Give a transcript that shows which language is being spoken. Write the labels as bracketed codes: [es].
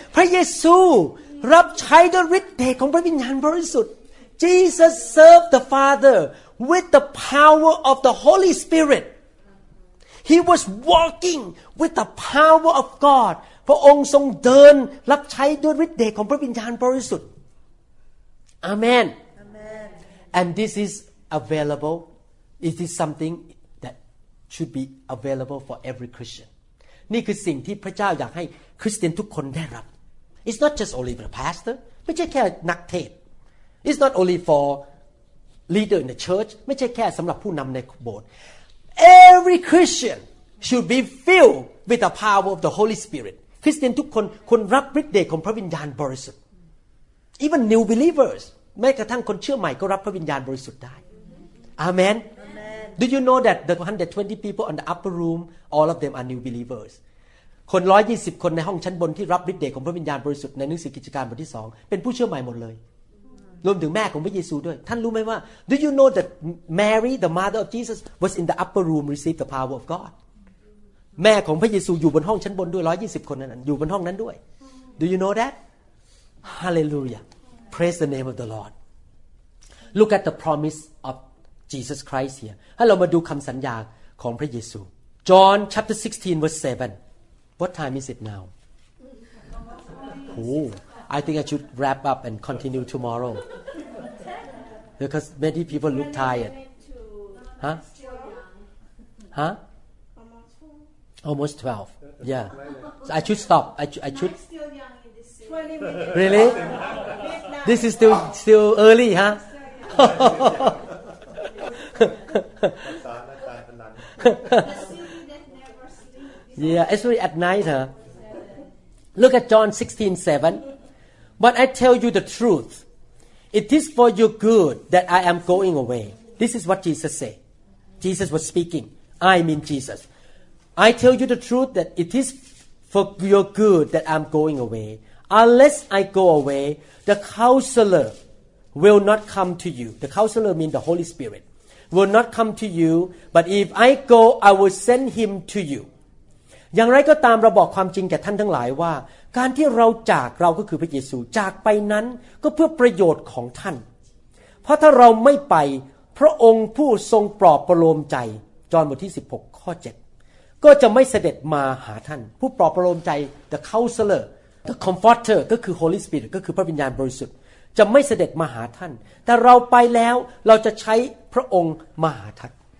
[th] พระเยซูรับใช้ด้วยฤทธิ์เดชของพระวิญญาณบริสุทธิ์ [en] Jesus served the Father with the power of the Holy Spirit. He was walking with the power of God. [th] พระองค์ทรงเดินรับใช้ด้วยฤทธิ์เดชของพระวิญญาณบริสุทธิ์ [en] Amen. And this is available. Is this something that should be available for every Christian? [th] นี่คือสิ่งที่พระเจ้าอยากให้คริสเตียนทุกคนได้รับ [en] It's not just only for the pastor. [th] ไม่ใช่แค่นักเทศ [en] It's not only for leader in the church. [th] ไม่ใช่แค่สำหรับผู้นำในโบสถ์ [en] Every Christian should be filled with the power of the Holy Spirit. [th] คริสเตียนทุกคนควรรับฤทธิ์เดชของพระวิญญาณบริสุทธิ์ [en] Even new believers. [th] แม้กระทั่งคนเชื่อใหม่ก็รับพระวิญญาณบริสุทธิ์ได้อาเมน [en] Do you know that the 120 people on the upper room all of them are new believers [th] คน120คนในห้องชั้นบนที่รับฤทธิ์เดชของพระวิญญาณบริสุทธิ์ในหนังสือกิจการบทที่2เป็นผู้เชื่อใหม่หมดเลย รวมถึงแม่ของพระเยซูด้วยท่านรู้ไหมว่า [en] Do you know that Mary the mother of Jesus was in the upper room received the power of God [th] แม่ของพระเยซูอยู่บนห้องชั้นบนด้วย120คนนั้นอยู่บนห้องนั้นด้วย [en] Do you know that HallelujahPraise the name of the Lord. Look at the promise of Jesus Christ here. [th] ให้เรามาดูคำสัญญาของพระเยซู [en] John chapter 16 verse 7. What time is it now? Oh, I think I should wrap up and continue tomorrow. Because many people look tired. Huh? Huh? Almost 12. Yeah. So I should stop. I should. Really? This is still early, huh? Yeah, especially at night, huh? Look at John 16:7. But I tell you the truth. It is for your good that I am going away. This is what Jesus said. Jesus was speaking. I mean Jesus. I tell you the truth that it is for your good that I'm going away. Unless I go away, the Counselor will not come to you. The Counselor means the Holy Spirit. Will not come to you, but if I go, I will send him to you. [th] อย่างไรก็ตามเราบอกความจริงแก่ท่านทั้งหลายว่าการที่เราจากเราก็คือพระเยซูจากไปนั้นก็เพื่อประโยชน์ของท่านเพราะถ้าเราไม่ไปพระองค์ผู้ทรงปลอบประโลมใจจอห์นบทที่16ข้อ7ก็จะไม่เสด็จมาหาท่านผู้ปลอบประโลมใจ [en] The CounselorThe Comforter [th] ก็คือ Holy Spirit ก็คือพระวิญญาณบริสุทธิ์จะไม่เสด็จมาหาท่านแต่เราไปแล้วเราจะใช้พระองค์มาหาท่าน